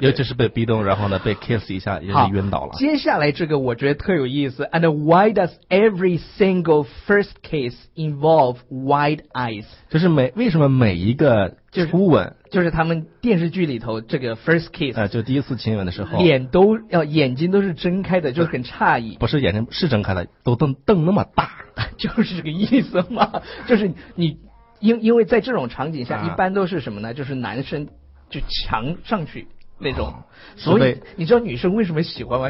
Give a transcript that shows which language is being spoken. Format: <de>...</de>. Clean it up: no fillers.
<zh>尤其是被逼动，然后呢被 kiss 一下也是晕倒了。接下来这个我觉得特有意思 ，</zh> <en>And why does every single first kiss involve wide eyes？</en> <zh>就是为什么每一个初吻、就是他们电视剧里头这个</zh> <en>first kiss，</en> <zh>就第一次亲吻的时候，眼睛都是睁开的，就是很诧异。不是眼睛是睁开的，都瞪那么大。就是这个意思嘛，就是你因为在这种场景下一般都是什么呢，就是男生就强上去那种，所以你知道女生为什么喜欢吗？</zh>